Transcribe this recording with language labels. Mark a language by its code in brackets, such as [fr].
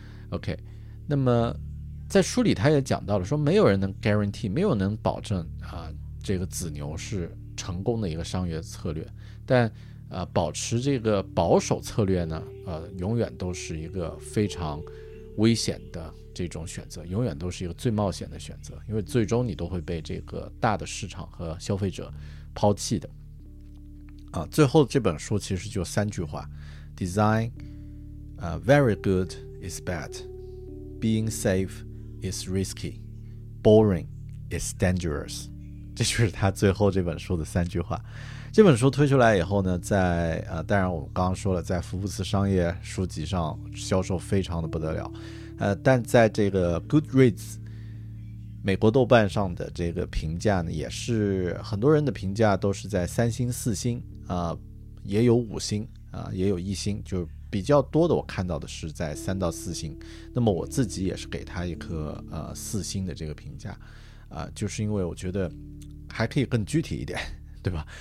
[zh] OK， 那么在书里他也讲到了说，没有人能 guarantee， 没有人能保证这个紫牛是成功的一个商业策略，但保持这个保守策略呢，永远都是一个非常危险的这种选择，永远都是一个最冒险的选择，因为最终你都会被这个大的市场和消费者抛弃的。最后这本书其实就三句话 [en] ：design, very good is bad, being safe is risky, boring is dangerous。 [zh] 这就是他最后这本书的三句话。这本书推出来以后呢，在当然我们刚刚说了，在福布斯商业书籍上销售非常的不得了，但在这个 Goodreads 美国豆瓣上的这个评价呢，也是很多人的评价都是在三星四星也有五星也有一星，就比较多的我看到的是在三到四星，那么我自己也是给他一颗四星的这个评价就是因为我觉得还可以更具体一点，对吧？